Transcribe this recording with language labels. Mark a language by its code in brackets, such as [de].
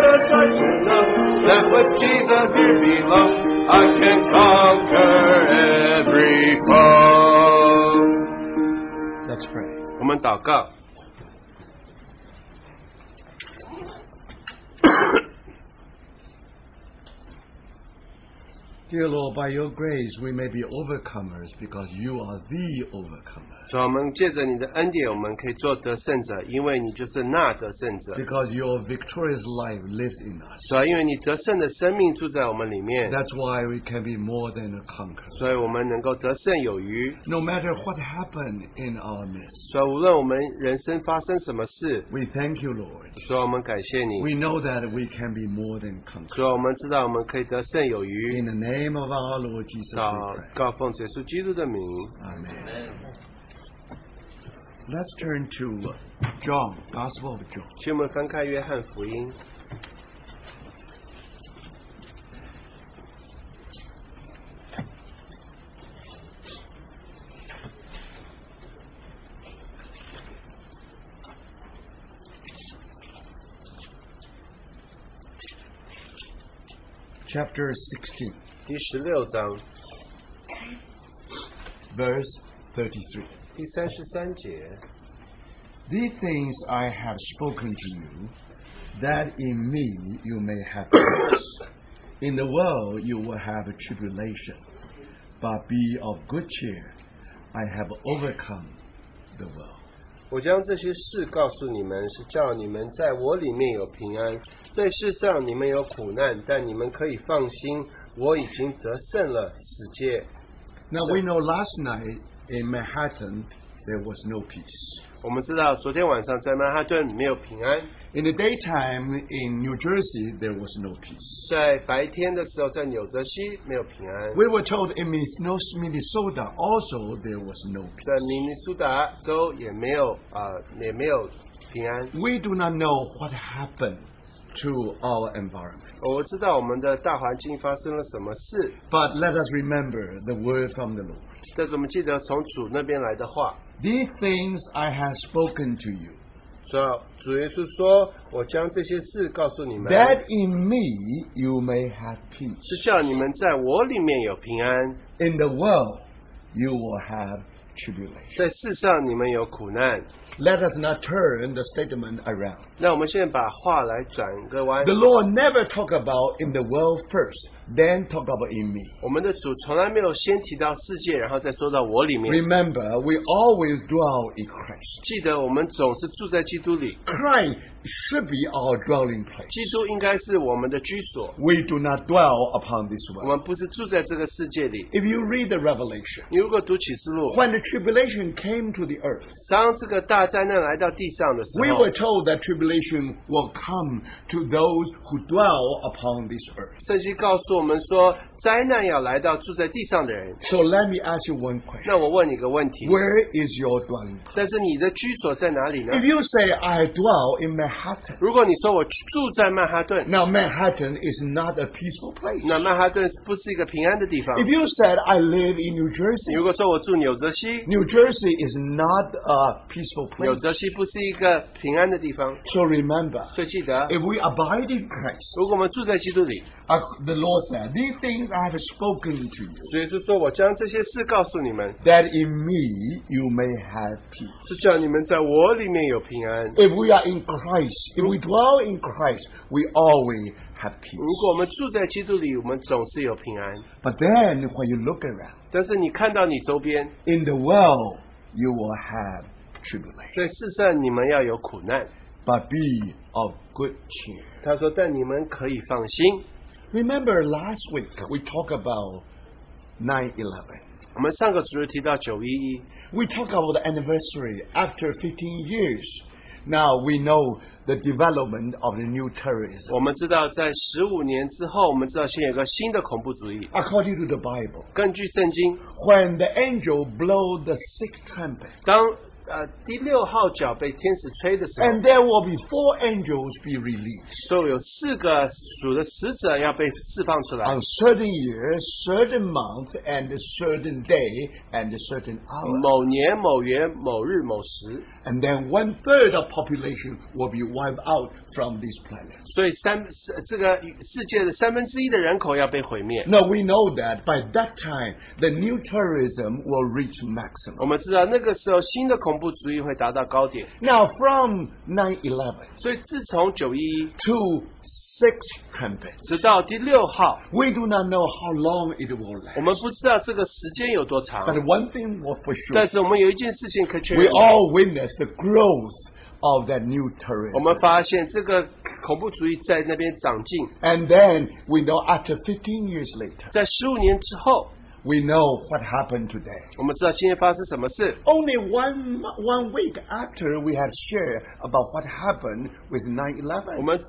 [en] that with Jesus here below, I can conquer every foe. Let's pray. [zh] 我们祷告。 [en] Dear Lord, by your grace, we may be overcomers because you are the overcomer. [zh] 主啊，我们借着你的恩典，我们可以做得胜者，因为你就是那得胜者。 [en] Because your victorious life lives in us. [zh] 主啊，因为你得胜的生命住在我们里面。 [en] That's why we can be more than a conqueror. [zh] 所以我们能够得胜有余。 [en] No matter what happened in our midst. [zh] 主啊，无论我们人生发生什么事。 [en] We thank you, Lord. [zh] 主啊，我们感谢你。 [en] We know that we can be more than conqueror. [zh] 主啊，我们知道我们可以得胜有余。 [en] In the name of our Lord Jesus Christ. [zh] 祷告奉耶稣基督的名。 [en] Amen. Let's turn to John, Gospel of John. [zh] 请我们翻开约翰福音。 [en] Chapter 16, [zh] 第16章。 [en] Verse 33. [zh] 第33节。 [en] These things I have spoken to you, that in me you may have peace. In the world you will have a tribulation, but be of good cheer. I have overcome the world. [zh] 我将这些事告诉你们，是叫你们在我里面有平安。在世上你们有苦难，但你们可以放心，我已经得胜了世界。 [en] Now we know last night in Manhattan there was no peace. [zh] 我们知道昨天晚上在曼哈顿没有平安。 [en] In the daytime in New Jersey there was no peace. [zh] 在白天的时候在纽泽西没有平安。 [en] We were told in Minnesota also there was no peace. [zh] 在明尼苏达州也没有平安。 [en] We do not know what happened to our environment. [zh] 我知道我们的大环境发生了什么事。 [en] But let us remember the word from the Lord. [zh] 但是我们记得从主那边来的话。 [en] These things I have spoken to you. [zh] 主耶稣说，我将这些事告诉你们。 [en] That in me you may have peace. [zh] 是叫你们在我里面有平安。 [en] In the world you will have tribulation. [zh] 在世上你们有苦难。 [en] Let us not turn the statement around. [zh] 那我们现在把话来转个弯。 [en] The Lord never talk about in the world first, then talk about in me. [zh] 我们的主从来没有先提到世界，然后再说到我里面。 [en] Remember, we always dwell in Christ. [zh] 记得我们总是住在基督里。 [en] Christ should be our dwelling place. [zh] 基督应该是我们的居所。 [en] We do not dwell upon this world. [zh] 我们不是住在这个世界里。 [en] If you read the Revelation, [zh] 你如果读启示录, [en] when the tribulation came to the earth, [zh] 当这个 [en] We were told that tribulation will come to those who dwell upon this earth. [zh] 圣经告诉我们说, 灾难要来到住在地上的人。 [en] So let me ask you one question. [zh] 那我问你个问题, [en] Where is your dwelling place? [zh] 但是你的居所在哪里呢? [en] If you say I dwell in Manhattan, [zh] 如果你说我住在曼哈顿, [en] Now Manhattan is not a peaceful place. [zh] 那曼哈顿不是一个平安的地方。 [en] If you said I live in New Jersey, [zh] 如果说我住纽泽西, [en] New Jersey is not a peaceful place. [zh] 纽泽西不是一个平安的地方。 [en] So remember, [zh] 所以记得, [en] If we abide in Christ, [zh] 如果我们住在基督里, [en] The Lord said, These things I have spoken to you. [zh] 所以就说我将这些事告诉你们, [en] that in me you may have peace. [zh] 是叫你们在我里面有平安。 [en] If we are in Christ, if we dwell in Christ, we always have peace. [zh] 如果我们住在基督里, 我们总是有平安。 [en] But then when you look around, [zh] 但是你看到你周边, [en] in the world you will have tribulation. [zh] 在世上你们要有苦难。 [en] But be of good cheer. [zh] 他说但你们可以放心。 [en] Remember last week we talked about 9/11. [zh] 我们上个主日提到911. [en] We talked about the anniversary after 15 years. Now we know the development of the new terrorism. [zh] 我们知道在15年之后，我们知道现在有个新的恐怖主义. [en] According to the Bible, [zh] 根据圣经, [en] when the angel blow the sixth trumpet, [zh] 当 第六号角被天使吹的时候, [en] and there will be four angels be released. [zh] 所以有四个主的使者要被释放出来, [en] on certain years, certain month, and a certain day, and a certain hour. [zh] 某年某月某日某时, [en] And then one third of population will be wiped out from this planet. [zh] 所以这个世界的三分之一的人口要被毁灭。 [en] No, we know that by that time, the new terrorism will reach maximum. [zh] 我们知道那个时候新的恐怖主义会达到高点。 [en] Now from 9/11, [zh] 所以自从911, [en] to 6 trumpets, [zh] 直到第六号, [en] we do not know how long it will last. [zh] 我们不知道这个时间有多长。 [en] But one thing was for sure. [zh] 但是我们有一件事情可确认。 [en] We all witnessed the growth of that new terrorism. And then we know after 15 years later, [zh] 在15年之后, [en] we know what happened today. Only one week after we had shared about what happened with 9/11,